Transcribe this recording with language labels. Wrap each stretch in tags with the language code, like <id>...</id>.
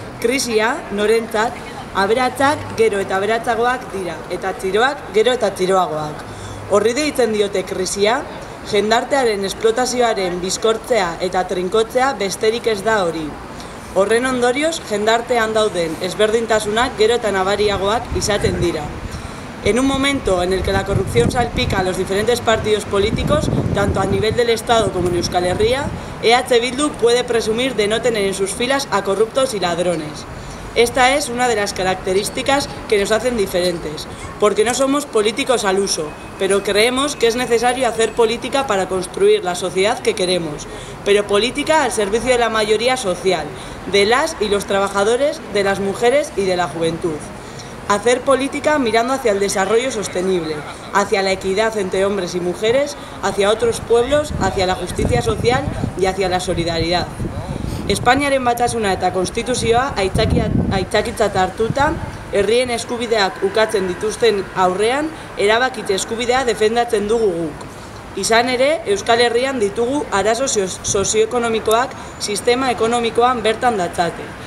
<eu>Krisia, norentzat, aberatsak gero eta aberatsagoak dira, eta txiroak gero eta txiroagoak. Horri deitzen diote krisia, jendartearen esplotazioaren bizkortzea eta trinkotzea besterik ez da hori. Horren ondorioz, jendartean dauden ezberdintasunak gero eta nabariagoak izaten dira.</eu> <es>En un momento en el que la corrupción salpica a los diferentes partidos políticos, tanto a nivel del Estado como en Euskal Herria, EH Bildu puede presumir de no tener en sus filas a corruptos y ladrones. Esta es una de las características que nos hacen diferentes, porque no somos políticos al uso, pero creemos que es necesario hacer política para construir la sociedad que queremos, pero política al servicio de la mayoría social, de las y los trabajadores, de las mujeres y de la juventud. Hacer política mirando hacia el desarrollo sostenible, hacia la equidad entre hombres y mujeres, hacia otros pueblos, hacia la justicia social y hacia la solidaridad.</es> <eu>Espainiaren batasuna eta konstituzioa aitzakitzat hartuta, herrien eskubideak ukatzen dituzten aurrean, erabakitze eskubidea defendatzen dugu guk. Izan ere, Euskal Herrian ditugu arazo sozioekonomikoak sistema ekonomikoan bertan datzate.</eu>